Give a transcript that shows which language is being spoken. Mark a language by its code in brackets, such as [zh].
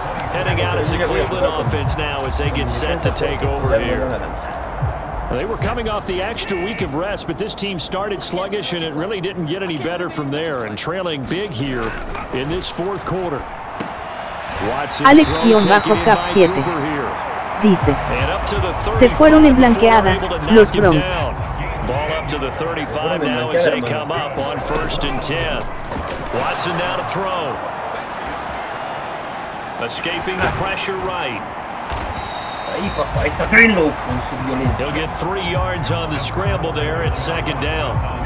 [en] Heading out as the Cleveland offense now as they get set to take over here. They were coming off the extra week of rest, but this team started sluggish and it really didn't get any better from there, and trailing big here in this fourth quarter. [es] Alex guión bajo cap 7 dice: se fueron en blanqueada los Browns. [en] Ball up to the 35 now as they come up on first and 10. Watson now to throw. Escaping the pressure right. He'll get 3 yards on the scramble there at second down.